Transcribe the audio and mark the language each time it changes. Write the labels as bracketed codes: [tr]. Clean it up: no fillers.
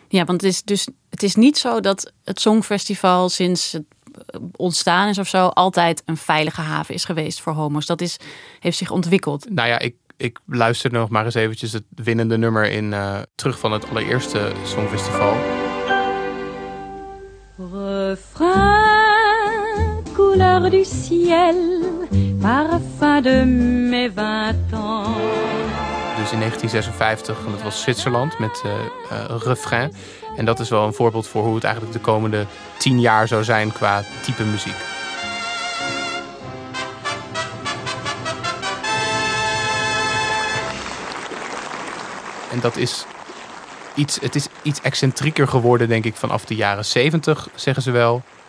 [nl] Ja, want het is niet zo dat het Songfestival sinds het ontstaan is of zo altijd een veilige haven is geweest voor homo's. Dat heeft zich ontwikkeld. Nou ja, ik luister nog maar eens eventjes het winnende nummer in terug van het allereerste Songfestival. [fr] Refrain, couleur du ciel, parfum de mes vingt ans. [nl] Dus in 1956, en dat was Zwitserland met Refrain. En dat is wel een voorbeeld voor hoe het eigenlijk de komende 10 jaar zou zijn qua type muziek. En dat is iets excentrieker geworden, denk ik, vanaf de jaren 70, zeggen ze wel.